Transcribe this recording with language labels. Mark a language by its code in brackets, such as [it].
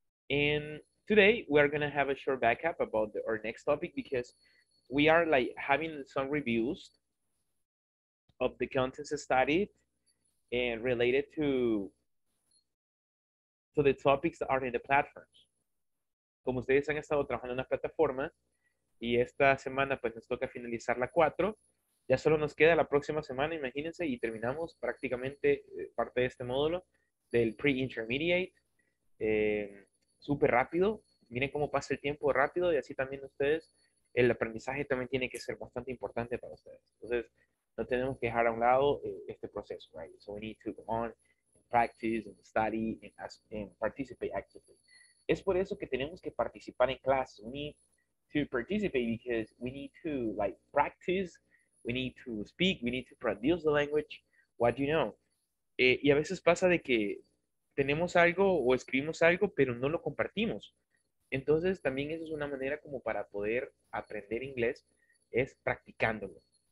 [en] And today we are gonna have a short backup about the, our next topic, because we are like having some reviews of the contents studied and related to the topics that are in the platforms. [es] Como ustedes han estado trabajando en la plataforma, y esta semana pues nos toca finalizar la 4, ya solo nos queda la próxima semana, imagínense, y terminamos prácticamente parte de este módulo del pre-intermediate, súper rápido. Miren cómo pasa el tiempo rápido, y así también ustedes, el aprendizaje también tiene que ser bastante importante para ustedes. Entonces, no tenemos que dejar a un lado este proceso, [en] right? So we need to go on, and practice, and study, and participate actively. [es] Es por eso que tenemos que participar en clases. [en] We need to participate because we need to, like, practice, we need to speak, we need to produce the language, what you know. [es] Y a veces pasa de que tenemos algo o escribimos algo, pero no lo compartimos. Entonces, también eso es una manera como para poder aprender inglés, es practicándolo.